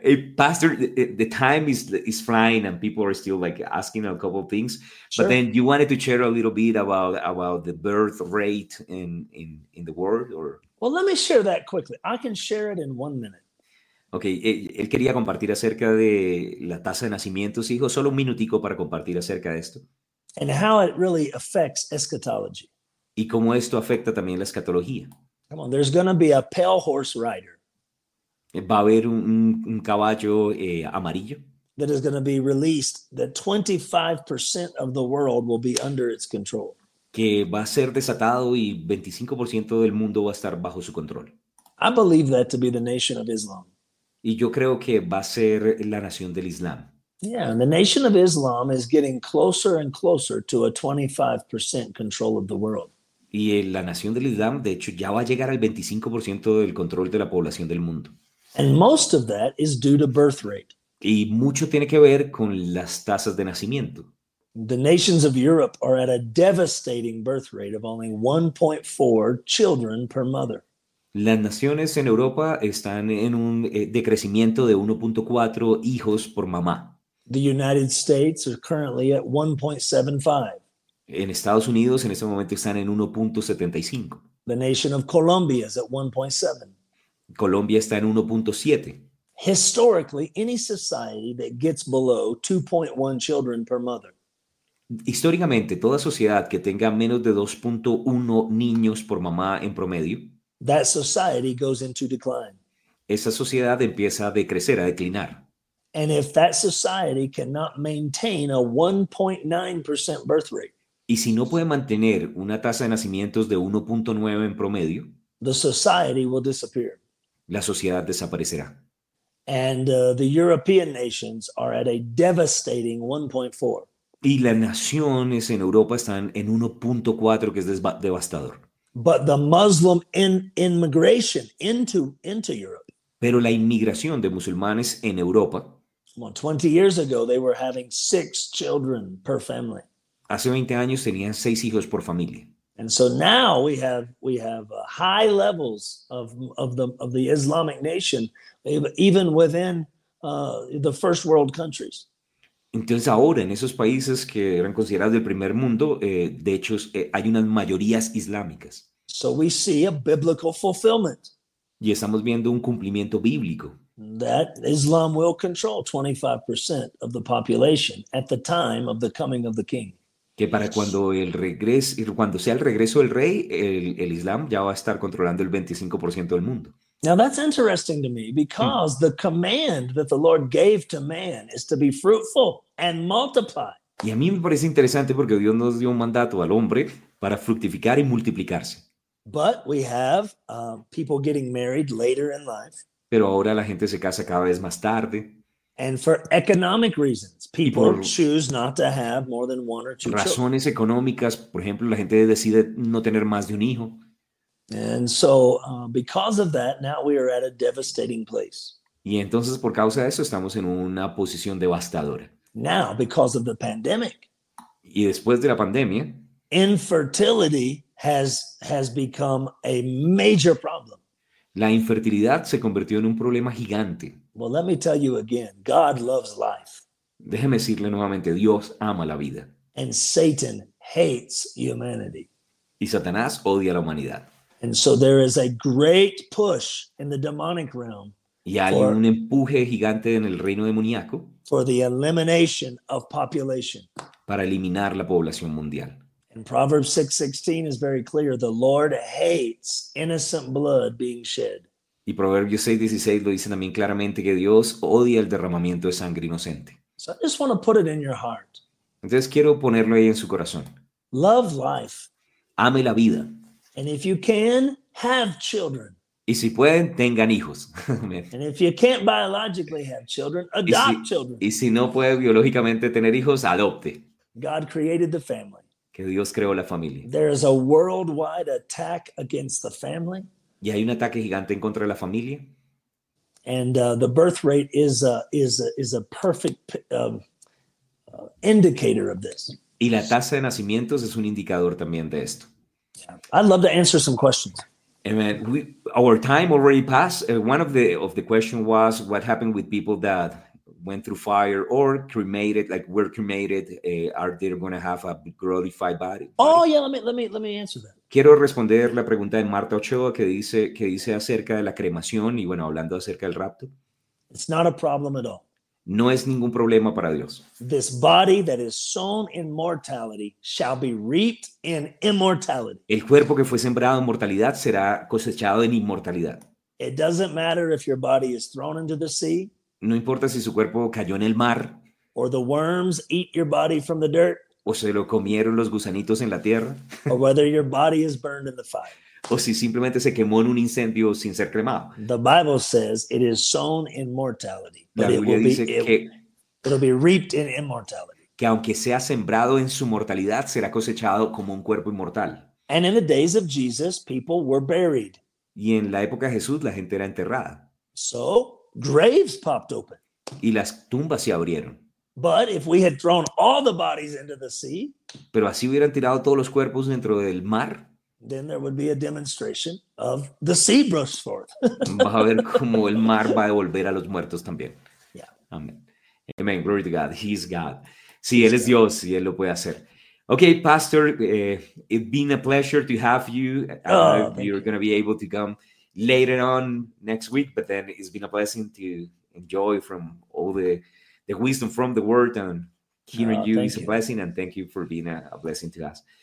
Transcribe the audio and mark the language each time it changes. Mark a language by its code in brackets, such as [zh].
[en] Hey, Pastor, the time is flying and people are still like asking a couple of things. Sure. But then you wanted to share a little bit about the birth rate in the world. Or well, let me share that quickly. I can share it in 1 minute. Okay. [es] Él quería compartir acerca de la tasa de nacimientos, hijo. Solo un minutico para compartir acerca de esto. [en] And how it really affects eschatology. [es] Y cómo esto afecta también la escatología. [en] Come on, there's going to be a pale horse rider. [es] Va a haber un caballo amarillo. [en] That is going to be released, that 25% of the world will be under its control. [es] Que va a ser desatado y 25% del mundo va a estar bajo su control. [en] I believe that to be the nation of Islam. [es] Y yo creo que va a ser la nación del Islam. [en] Yeah, and the nation of Islam is getting closer and closer to a 25% control of the world. [es] Y la nación del Islam, de hecho, ya va a llegar al 25% del control de la población del mundo. [en] And most of that is due to birth rate. [es] Y mucho tiene que ver con las tasas de nacimiento. [en] The nations of Europe are at a devastating birth rate of only 1.4 children per mother. [es] Las naciones en Europa están en un decrecimiento de 1.4 hijos por mamá. [en] The United States are currently at 1.75. [es] En Estados Unidos en este momento están en 1.75. [en] The nation of Colombia is at 1.7. [es] Colombia está en 1.7. [en] Historically, any society that gets below 2.1 children per mother. [es] Históricamente, toda sociedad que tenga menos de 2.1 niños por mamá en promedio, [en] that society goes into decline. [es] Esa sociedad empieza a decrecer, a declinar. [en] And if that society cannot maintain a 1.9% birth rate, [es] y si no puede mantener una tasa de nacimientos de 1.9 en promedio, [en] the society will disappear. [es] La sociedad desaparecerá. [en] And the European nations are at a devastating 1.4. [es] Y las naciones en Europa están en 1.4, que es devastador. [en] But the Muslim immigration into Europe. [es] Pero la inmigración de musulmanes en Europa. [en] Well, 20 years ago, they were having 6 children per family. [es] Hace 20 años tenían 6 hijos por familia. [en] And so now we have high levels of the Islamic nation, even within the first world countries. [es] Entonces ahora en esos países que eran considerados del primer mundo, de hecho hay unas mayorías islámicas. [en] So we see a biblical fulfillment. [es] Y estamos viendo un cumplimiento bíblico. [en] That Islam will control 25% of the population at the time of the coming of the king. [es] Que para cuando sea el regreso del rey, el Islam ya va a estar controlando el 25% del mundo. [en] Now that's interesting to me because the command that the Lord gave to man is to be fruitful and multiply. [es] Y a mí me parece interesante porque Dios nos dio un mandato al hombre para fructificar y multiplicarse. [en] But we have people getting married later in life. [es] Pero ahora la gente se casa cada vez más tarde. [en] And for economic reasons, people choose not to have more than one or two children. [es] Razones económicas, por ejemplo, la gente decide no tener más de un hijo. [en] And so, because of that, now we are at a devastating place. [es] Y entonces, por causa de eso, estamos en una posición devastadora. [en] Now, because of the pandemic, [es] y después de la pandemia, [en] infertility has become a major problem. [es] La infertilidad se convirtió en un problema gigante. [en] Well, let me tell you again, God loves life. [es] Déjeme decirle nuevamente, Dios ama la vida. [en] And Satan hates humanity. [es] Y Satanás odia la humanidad. [en] And so there is a great push in the demonic realm. [es] Y hay un empuje gigante en el reino demoníaco. [en] For the elimination of population. [es] Para eliminar la población mundial. [en] And Proverbs 6:16 is very clear. The Lord hates innocent blood being shed. [es] Y Proverbios 6:16 lo dice también claramente que Dios odia el derramamiento de sangre inocente. [en] So I just want to put it in your heart. [es] Entonces quiero ponerlo ahí en su corazón. [en] Love life. [es] Ame la vida. [en] And if you can, have children. [es] Y si pueden, tengan hijos. [en] And if you can't biologically have children, adopt children. [es] Y si no puede biológicamente tener hijos, adopte. [en] God created the family. [es] Que Dios creó la familia. [en] There is a worldwide attack against the family. [es] Y hay un ataque gigante en contra de la familia. [en] And the birth rate is a perfect indicator of this. [es] Y la tasa de nacimientos es un indicador también de esto. [en] I'd love to answer some questions. Amen. Our time already passed. One of the question was what happened with people that went through fire or cremated, like were cremated. Are they going to have a glorified body? Oh yeah, let me answer that. [es] Quiero responder la pregunta de Marta Ochoa que dice acerca de la cremación y bueno, hablando acerca del rapto. [en] It's not a problem at all. [es] No es ningún problema para Dios. [en] This body that is sown in mortality shall be reaped in immortality. [es] El cuerpo que fue sembrado en mortalidad será cosechado en inmortalidad. [en] It doesn't matter if your body is thrown into the sea. [es] No importa si su cuerpo cayó en el mar. [en] Or the worms eat your body from the dirt. [es] O se lo comieron los gusanitos en la tierra. [en] Or whether your body is burned in the fire. [es] O si simplemente se quemó en un incendio sin ser cremado. [en] The Bible says it is sown in mortality. [es] La Biblia dice que [en] it'll be reaped in immortality. [es] Que aunque sea sembrado en su mortalidad, será cosechado como un cuerpo inmortal. [en] And in the days of Jesus, people were buried. [es] Y en la época de Jesús, la gente era enterrada. [en] So, graves popped open. [es] Y las tumbas se abrieron. [en] But if we had thrown all the bodies into the sea, [es] pero así hubieran tirado todos los cuerpos dentro del mar, [en] then there would be a demonstration of the sea brush forth. [es] Va a ver cómo el mar va a devolver a los muertos también. [en] Yeah. Amen. Amen. Glory to God. He's God. [es] Sí, Él es Dios y Él lo puede hacer. [en] Ok, Pastor, it's been a pleasure to have you. You're going to be able to come later on next week, but then it's been a blessing to enjoy from all the wisdom from the Word and hearing you is a blessing, and thank you for being a blessing to us.